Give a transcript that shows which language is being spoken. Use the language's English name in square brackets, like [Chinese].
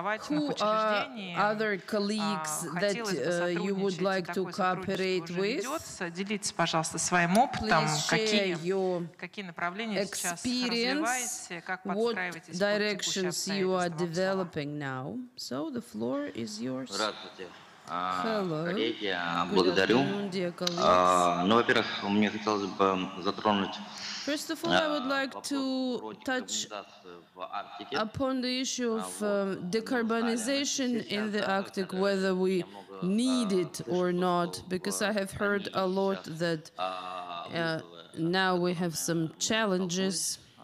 [English] Who are other colleagues that you would like to cooperate with? Please share your experience, what directions you are developing now. So the floor is yours. [Russian] Коллеги, благодарю. Ну, во-первых, мне хотелось бы затронуть. [English] First of all, I would like to touch upon the issue of decarbonization in the Arctic, whether we need it or not, because I have heard a lot that now we have some challenges.